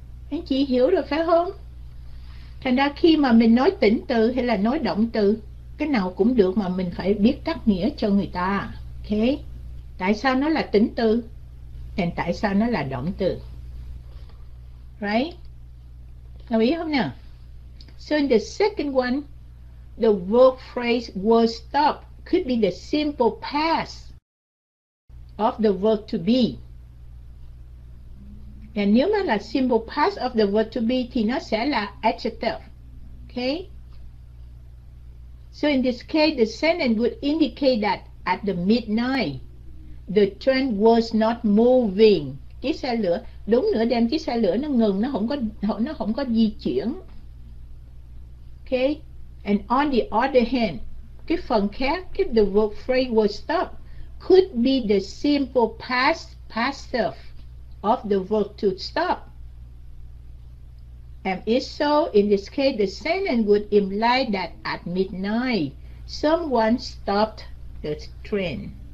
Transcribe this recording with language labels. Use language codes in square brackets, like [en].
[vi] Anh chị hiểu rồi phải không? Thành ra khi mà mình nói tính từ hay là nói động từ, cái nào cũng được mà mình phải biết cắt nghĩa cho người ta. Ok, tại sao nó là tính từ thì tại sao nó là động từ, right? Đồng ý không nè? [en] So in the second one, the verb phrase was stopped could be the simple past of the verb to be. [vi] Và nếu mà là [en] simple past of the verb to be [vi] thì nó sẽ là adjective. [en] Okay? So in this case, the sentence would indicate that at the midnight, the train was not moving. [vi] Chiếc xe lửa, đúng nửa đêm chiếc xe lửa nó ngừng, nó không có di chuyển. [en] Okay? And on the other hand, [vi] cái phần khác, [en] if the verb phrase was stopped, could be the simple past passive of the verb to stop. And if so, in this case, the sentence would imply that at midnight, someone stopped the train.